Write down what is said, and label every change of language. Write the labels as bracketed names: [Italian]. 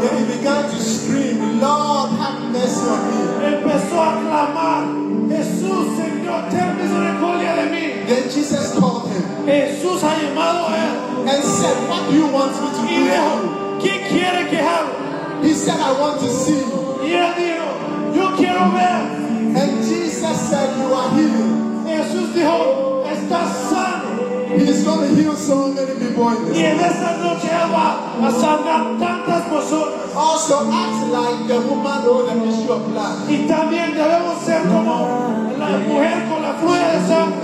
[English] Then he began to scream, Lord, have mercy on me. [Spanish] Empezó a clamar, Jesús, Señor, ten misericordia de mí. [English] Then Jesus called him. [Spanish] Jesús ha llamado a él. [English] And said, what do you want me to do? [Spanish] ¿Qué quiere que haga? [English] He said, I want to see you. [Spanish] Y él dijo, yo quiero ver. [English] And Jesus said, you are healed. [Spanish] Jesús dijo, estás sano. [English] He is going to heal so many people in this. [Spanish] Y en esta noche va a sanar tantas personas. [English] Also act like the woman with the issue of blood. [Spanish] Y también debemos ser como la mujer con la fluya de sangre.